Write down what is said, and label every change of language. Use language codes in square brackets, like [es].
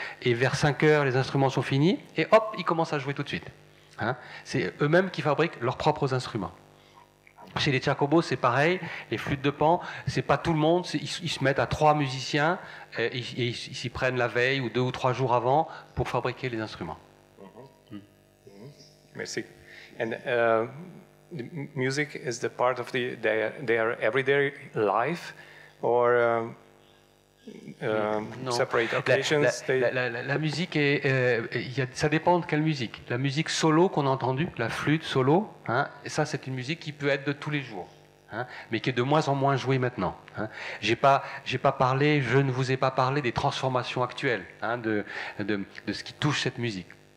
[fr] Et vers 5 heures, les instruments sont finis et hop, ils commencent à jouer tout de suite. Hein, c'est eux-mêmes qui fabriquent leurs propres instruments. Chez les Tchacobos, c'est pareil. Les flûtes de pan, c'est pas tout le monde. Ils se mettent à 3 musiciens et ils s'y prennent la veille ou 2 ou 3 jours avant pour fabriquer les instruments. Merci. [en] The music is the part of their everyday life, or no. Separate occasions. [fr] La musique est, ça dépend de quelle musique. La musique solo qu'on a entendue, la flûte solo, hein, ça c'est une musique qui peut être de tous les jours. hein, mais qui est de moins en moins joué maintenant. Hein. Je ne vous ai pas parlé des transformations actuelles, hein, de ce qui touche cette musique.